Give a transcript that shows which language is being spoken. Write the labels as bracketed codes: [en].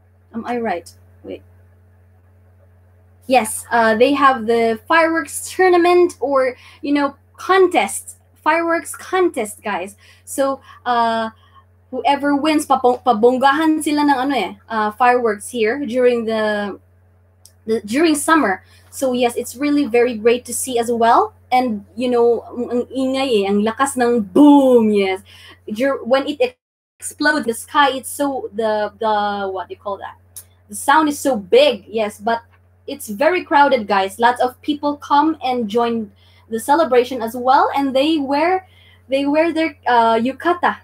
[en] Am I right? Wait. Yes, they have the fireworks tournament, or, you know, contest. Fireworks contest, guys. So, whoever wins, [tl] pabonggahan sila ng ano eh, [en] fireworks here during during summer. So, yes, it's really very great to see as well. And, you know, [tl] ang ingay eh, ang lakas ng boom, yes. [en] When it explodes the sky, it's so, what do you call that? The sound is so big, yes, but it's very crowded, guys. Lots of people come and join the celebration as well, and they wear their yukata.